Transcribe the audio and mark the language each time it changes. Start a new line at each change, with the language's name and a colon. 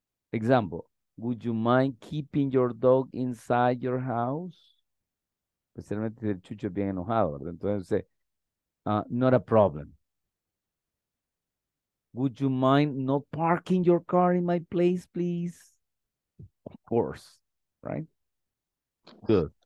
English: Example, would you mind keeping your dog inside your house?
Spanish: Especialmente si el Chucho es bien enojado, ¿verdad?
English: Entonces, not a problem. Would you mind not parking your car in my place, please? Of course, right? Good.